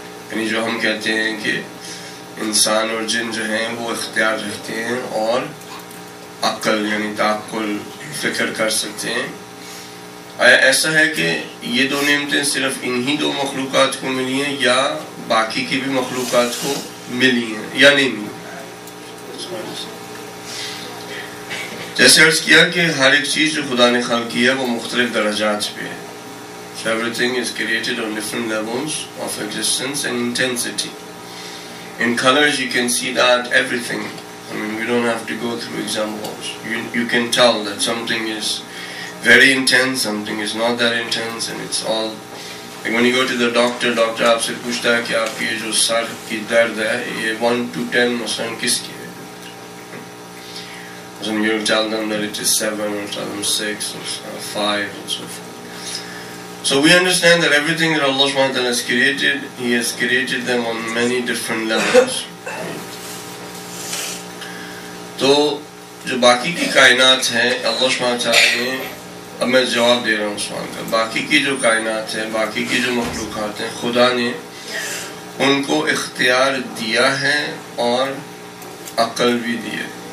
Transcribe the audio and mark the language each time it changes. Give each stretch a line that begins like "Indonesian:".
Urdu: یعنی جو ہم کہتے ہیں کہ انسان اور جن جو ہیں وہ اختیار رکھتے ہیں اور عقل یعنی تعقل فکر کر سکتے ہیں، آیا ایسا ہے کہ یہ دو نعمتیں صرف انہی دو مخلوقات کو ملی ہیں یا باقی کی بھی مخلوقات کو ملی ہیں یا نہیں ملی؟ جیسے عرض کیا کہ ہر ایک چیز جو خدا نے خلق کی ہے وہ مختلف درجات پہ ہے.
English: Everything is created on different levels of existence and intensity. In colors you can see that everything, I mean you don't have to go through examples. You can tell that something is very intense, something is not that intense, and it's all like when you go to the doctor, doctor
Urdu: آپ سے پوچھتا ہے کہ آپ کی جو سر کی درد ہے یہ 1 to 10 مثلاً کس کی ہے،
English: مثلاً you'll tell them that it is 7 or tell them 6 or 5 and so forth. So we understand that everything that Allah subhanahu wa ta'ala has created, He has created them on many different levels.
Urdu: تو جو باقی کی کائنات ہیں اللہ سبحانہ وتعالیٰ نے، اب میں جواب دے رہا ہوں سوال کا، باقی کی جو کائنات ہیں، باقی کی جو مخلوقات ہیں، خدا نے ان کو اختیار دیا ہے اور عقل بھی دی ہے.